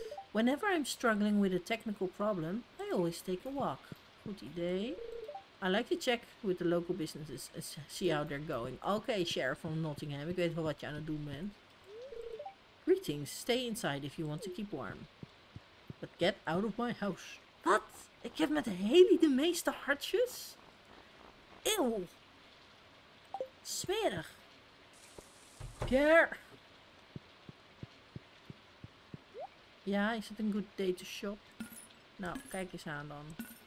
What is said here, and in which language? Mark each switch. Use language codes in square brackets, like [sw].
[en] Whenever I'm struggling with a technical problem, I always take a walk. [nl] Goed idee. [en] I like to check with the local businesses and see how they're going. [nl] Okay, Sheriff from Nottingham, ik weet wel wat je aan het doen bent. [en] Greetings, stay inside if you want to keep warm. But get out of my house. Wat? [nl] Ik heb met Haley de meeste hartjes? Ew. Smerig. Care. Ja, is het een [en] good day to shop? [nl] Nou, kijk eens aan dan.